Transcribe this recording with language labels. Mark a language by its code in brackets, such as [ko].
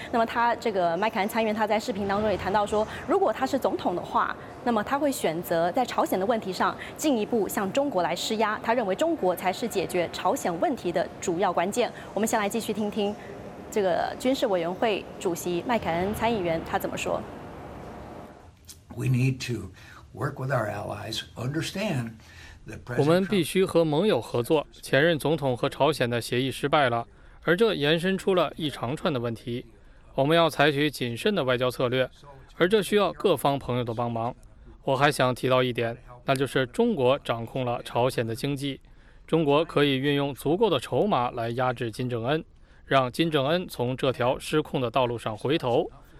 [zh] 那么他这个麦凯恩参议员他在视频当中也谈到说，如果他是总统的话，那么他会选择在朝鲜的问题上进一步向中国来施压。他认为中国才是解决朝鲜问题的主要关键。我们先来继续听听这个军事委员会主席麦凯恩参议员他怎么说。 [en] We need to work with our allies, understand the president. [zh] 我们必须和盟友合作。前任总统和朝鲜的协议失败了，而这延伸出了一长串的问题。我们要采取谨慎的外交策略，而这需要各方朋友的帮忙。我还想提到一点，那就是中国掌控了朝鲜的经济，中国可以运用足够的筹码来压制金正恩，让金正恩从这条失控的道路上回头。